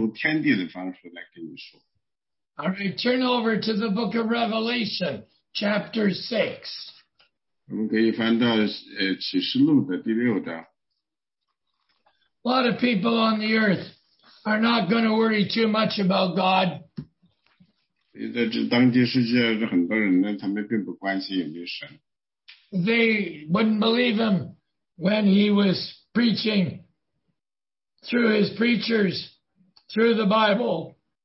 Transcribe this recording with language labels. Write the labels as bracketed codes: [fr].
[zh] 所以呢，就是说呢，当神说话的时候呢，我们要准备怎么做呢？我们要准备怎么去听呢？因为如果神安静的说话，我们不听，他会用一种震动天地的方式来跟你说。 [en] All right, turn over to the book of Revelation, chapter 6. [zh] 我们可以翻到启示录的第六章。 [en] A lot of people on the earth are not going to worry too much about God. [zh] 在这当今世界，很多人呢，他们并不关心有没有神。 [en] They wouldn't believe him when he was preaching through his preachers, through the Bible.